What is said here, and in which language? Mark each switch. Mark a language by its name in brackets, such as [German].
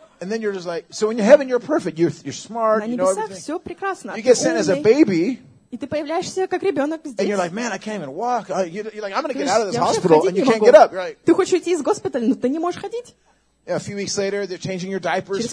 [English] And then you're just like, so in heaven you're perfect, you're smart, you know everything. [Russian] На небесах все прекрасно. [English] You get sent as a baby. [Russian] И ты появляешься как ребенок здесь. [English] And you're like, man, I can't even walk. You're like, I'm gonna get out of this hospital, and you can't get up. Right? [Russian] Ты хочешь уйти из госпиталя, но ты не можешь ходить. [English] A few weeks later, they're changing your diapers.